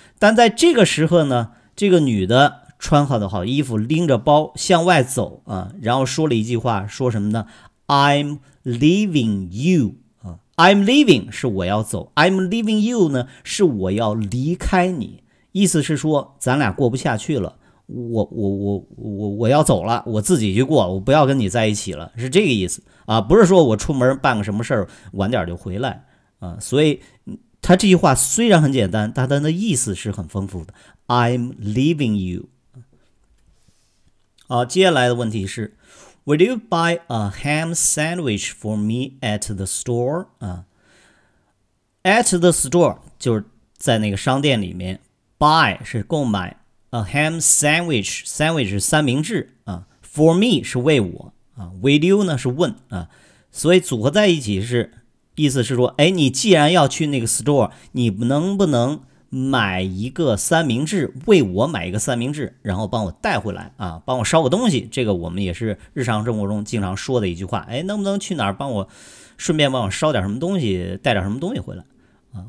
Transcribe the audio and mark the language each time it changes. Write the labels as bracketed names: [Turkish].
[Chinese] 但在这个时候呢，这个女的穿好的好衣服，拎着包向外走啊，然后说了一句话，说什么呢 ？ [English] I'm leaving you [Chinese] 啊 ， [English] I'm leaving [Chinese] 是我要走 ，I'm leaving you 呢是我要离开你，意思是说咱俩过不下去了，我要走了，我自己去过，我不要跟你在一起了，是这个意思。啊，不是说我出门办个什么事儿，晚点就回来，啊，所以他这句话虽然很简单，但他的意思是很丰富的。 [English] I'm leaving you。 [Chinese] 好，接下来的问题是 [English] ，Would you buy a ham sandwich for me at the store？ [Chinese] 啊 ， [English] at the store [Chinese] 就是在那个商店里面 ，buy 是购买 ， [English] a ham sandwich [Chinese] 是三明治啊 ， [English] for me [Chinese] 是为我。 [English] Will you [Chinese] 呢是问啊，所以组合在一起是意思是说，哎，你既然要去那个 store， 你能不能买一个三明治，为我买一个三明治，然后帮我带回来啊，帮我烧个东西，这个我们也是日常生活中经常说的一句话，哎，能不能去哪儿帮我顺便帮我烧点什么东西，带点什么东西回来啊？